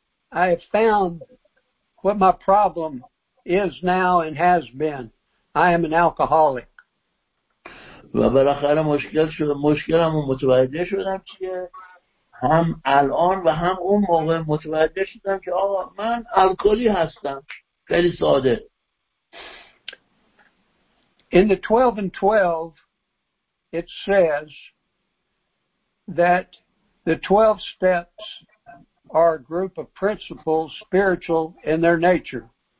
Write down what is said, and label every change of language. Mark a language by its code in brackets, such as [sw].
[en] I have found what my problem is now and has been. I am an alcoholic. [fa] و بالاخره مشکلم رو متوجه شدم چیه؟ هم الان و هم اون موقع متوجه شدم که آقا من الکلی هستم. خیلی ساده. [en] In the 12 and 12, it says that the 12 steps are a group of principles, spiritual in their nature.